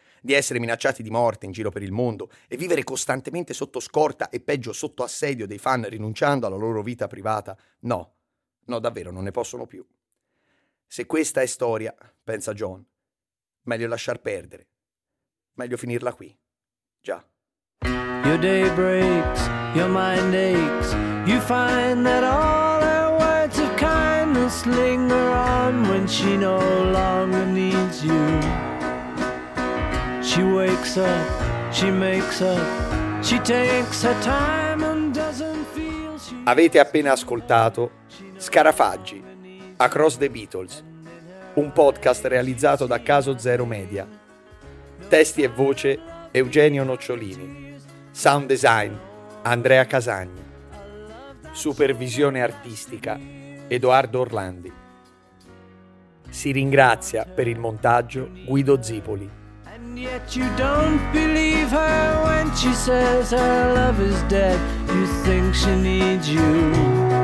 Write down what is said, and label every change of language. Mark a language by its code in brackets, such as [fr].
[it] di essere minacciati di morte in giro per il mondo e vivere costantemente sotto scorta e peggio sotto assedio dei fan rinunciando alla loro vita privata, no, no davvero non ne possono più. Se questa è storia, pensa John, meglio lasciar perdere, meglio finirla qui, già. [en] Your day breaks, your mind aches, you find that all her words of kindness linger on when she no longer needs you. She wakes up, she makes up, she takes her time and doesn't feel she... [it] Avete appena ascoltato Scarafaggi, Across the Beatles, un podcast realizzato da Caso Zero Media. Testi e voce Eugenio Nocciolini. Sound design Andrea Casagni. Supervisione artistica Edoardo Orlandi. Si ringrazia per il montaggio Guido Zipoli. [en] And yet you don't believe her when she says her love is dead. You think she needs you.